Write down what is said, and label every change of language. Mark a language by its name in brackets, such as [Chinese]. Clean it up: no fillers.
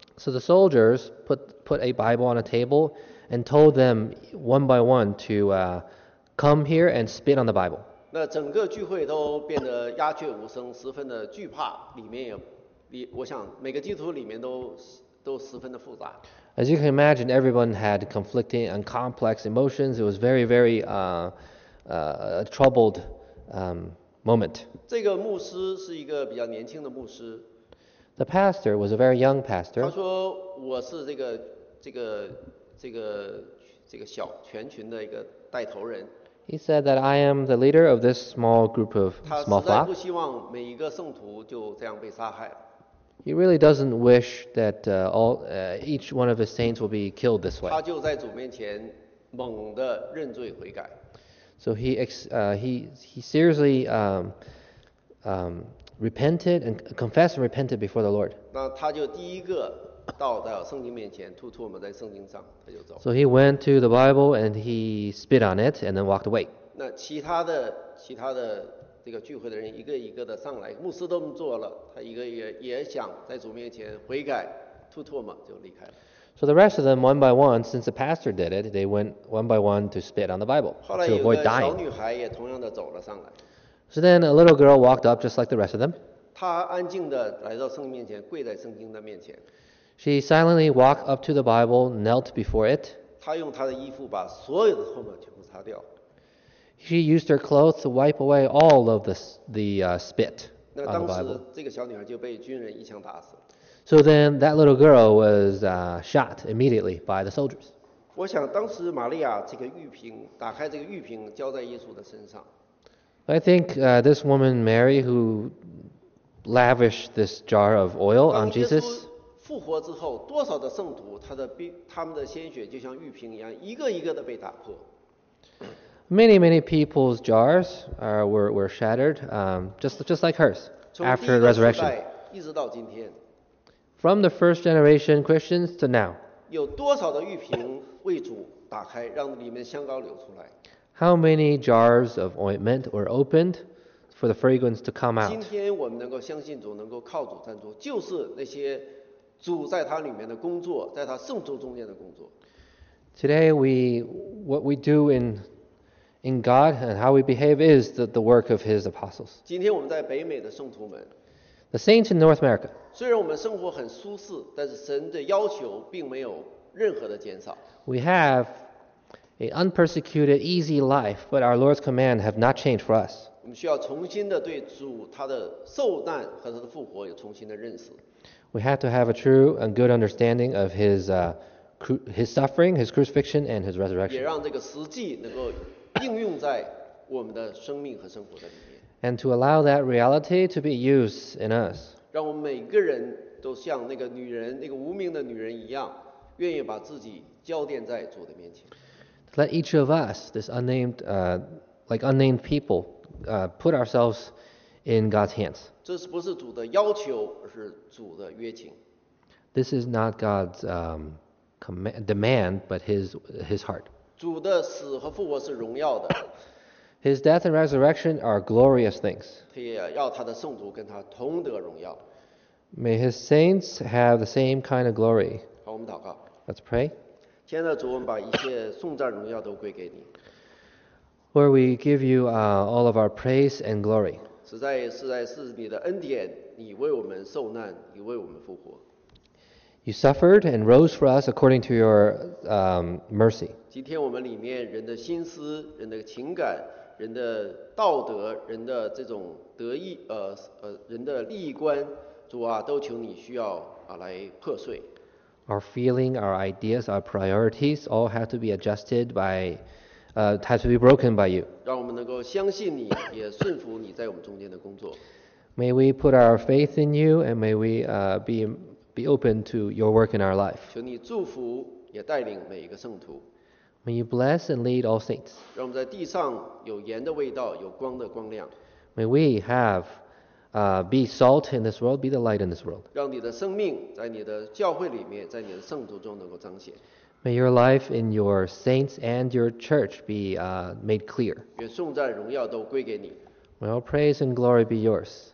[English] So the soldiers put a Bible on a table and told them one by one to come here and spit on the Bible. [Chinese] 那整个聚会都变得鸦雀无声，十分的惧怕，我想每个基督徒里面都十分的复杂。 [English] As you can imagine, everyone had conflicting and complex emotions. It was very, very troubled moment. [Chinese] 这个牧师是一个比较年轻的牧师。 [English] The pastor was a very young pastor. [Chinese] 他说我是这个小全群的一个带头人。 [English] He said that I am the leader of this small group of small flock. [Chinese] 他实在不希望每一个圣徒就这样被杀害。 [English] He really doesn't wish that each one of his saints will be killed this way. [Chinese] 他就在主面前猛地认罪悔改。 [English] So he seriously repented and confessed and repented before the Lord. [Chinese] 那他就第一个倒到圣经面前，吐唾沫在圣经上，他就走。 [English] So he went to the Bible and he spit on it and then walked away. [Chinese] 那其他的这个聚会的人一个一个的上来，牧师都做了，他一个也想在主面前悔改，吐唾沫就离开了。 [English] So the rest of them, one by one, since the pastor did it, they went one by one to spit on the Bible to avoid dying. [Chinese] 小女孩也同样的走了上来。 [English] So then a little girl walked up just like the rest of them. [Chinese] 她安静的来到圣经面前，跪在圣经的面前。 [English] She silently walked up to the Bible, knelt before it. [Chinese] 她用她的衣服把所有的唾沫全部擦掉。 [English] She used her clothes to wipe away all of the spit on the Bible. [Chinese] 那当时这个小女孩就被军人一枪打死。 [English] So then that little girl was shot immediately by the soldiers. [Chinese] 我想当时玛利亚这个玉瓶打开这个玉瓶浇在耶稣的身上。 [English] I think this woman Mary who lavished this jar of oil on Jesus. [Chinese] 复活之后多少的圣徒他们的鲜血就像玉瓶一样一个一个的被打破。 [English] Many, many people's jars were shattered, just like hers after the resurrection. [Chinese] 从第一个时代一直到今天。 [English] From the first generation Christians to now. [Chinese] 有多少的玉瓶为主打开，让里面香膏流出来？ [English] How many jars of ointment were opened for the fragrance to come out? [Chinese] 今天我们能够相信主，能够靠主站住，就是那些主在他里面的工作，在他圣徒中间的工作。 [English] Today what we do in God and how we behave is the work of His apostles. [Chinese] 今天我们在北美的圣徒们。 [English] The saints in North America. [Chinese] 虽然我们生活很舒适，但是神的要求并没有任何的减少。 [English] We have an unpersecuted, easy life, but our Lord's command have not changed for us. [Chinese] 我们需要重新的对主他的受难和他的复活有重新的认识。 [English] We have to have a true and good understanding of his suffering, his crucifixion, and his resurrection. [Chinese] 也让这个实际能够应用在我们的生命和生活的里面。 [English] And to allow that reality to be used in us. [Chinese] 让我们每个人都像那个女人，那个无名的女人一样，愿意把自己交奠在主的面前。 [English] Let each of us, this unnamed, like unnamed people, put ourselves in God's hands. [Chinese] 这是不是主的要求，而是主的约请。 [English] This is not God's demand, but His heart. [Chinese] 主的死和复活是荣耀的。 [English] His death and resurrection are glorious things. [Chinese] 他也要他的圣徒跟他同得荣耀。 [English] May his saints have the same kind of glory. [Chinese] 好，我们祷告。 [English] Let's pray. [Chinese] 天父，主，我们把一切颂赞荣耀都归给你。 [English] Where we give you all of our praise and glory. [Chinese] 实在是你的恩典，你为我们受难，你为我们复活。 [English] You suffered and rose for us according to your mercy. [Chinese] 今天我们里面人的心思、人的情感、人的道德、人的这种得意、人的利益观，主啊，都求你需要啊来破碎。 [English] Our feeling, our ideas, our priorities all have to be adjusted by, have to be broken by you. [Chinese] 让我们能够相信你，也顺服你在我们中间的工作。 [English] May we put our faith in you, and may we be open to your work in our life. [Chinese] 求你祝福，也带领每一个圣徒。 [English] May you bless and lead all saints. [Chinese] 让我们在地上有盐的味道，有光的光亮。 [English] May we have, be salt in this world, be the light in this world. [Chinese] 让你的生命在你的教会里面，在你的圣徒中能够彰显。 [English] May your life in your saints and your church be, made clear. [Chinese] 愿颂赞荣耀都归给你。 [English] May all praise and glory be yours.